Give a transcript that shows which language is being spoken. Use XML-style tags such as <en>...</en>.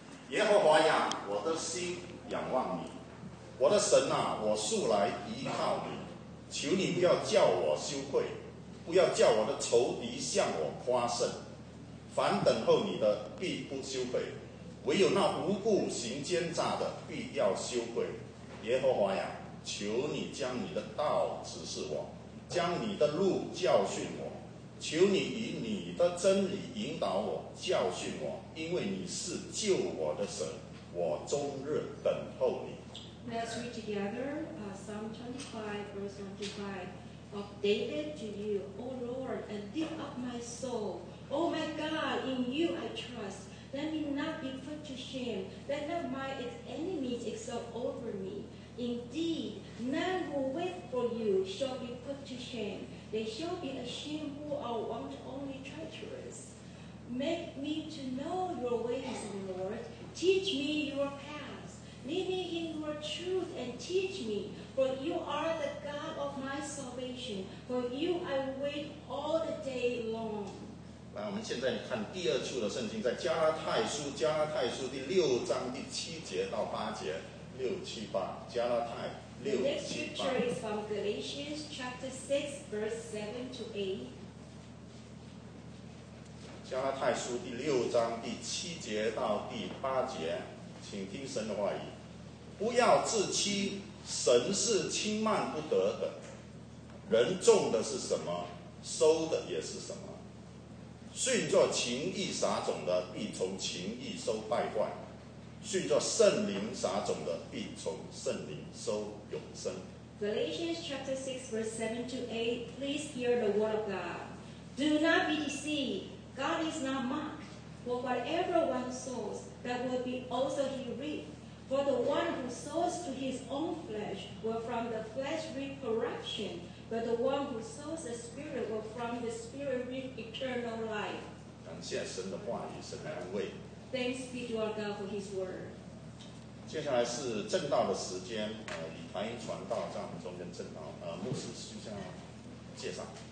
<zh>耶和华呀，我的心仰望你，我的神啊，我素来依靠你，求你不要叫我羞愧，不要叫我的仇敌向我夸胜，凡等候你的必不羞愧，唯有那无故行奸诈的必要羞愧。耶和华呀，求你将你的道指示我，将你的路教训我，求你以你的真理引导我，教训我，因为你是救我的神，我终日等候你。</zh> <en>Let's read together Psalm 25, verse 25 of David to you. O Lord, and lift up my soul. O my God, in you I trust. Let me not be put to shame. Let not my enemies exult over me. Indeed, none who wait for you shall be put to shame. They shall be ashamed who are wont only treacherous. Make me to know your ways, Lord. Teach me your path. Lead me in your truth and teach me, for you are the God of my salvation. For you I wait all the day long.</en> <zh>来，我们现在看第二处的圣经，在加拉太书，加拉太书第六章第七节到八节，六七八，加拉太六七八。</zh> <en>The next scripture is from Galatians chapter 6, verse 7 to 8.</en> <zh>加拉太书第六章第七节到第八节。请听神的话语，不要自欺，神是轻慢不得的。人种的是什么，收的也是什么。训作情义撒种的，必从情义收败坏；训作圣灵撒种的，必从圣灵收永生。</zh> <en>Galatians chapter 6 verse 7 to 8, please hear the word of God. Do not be deceived. God is not mocked. For whatever one sows,that will be also he reap. For the one who sows to his own flesh will from the flesh reap corruption, but the one who sows the Spirit will from the Spirit reap eternal life.</en> <zh>感谢神的话语，神的安慰。</zh> <en>Thanks be to our God for his word.</en> <zh>接下来是正道的时间，以谭英传道在我们中间正道，牧师需要介绍。</zh>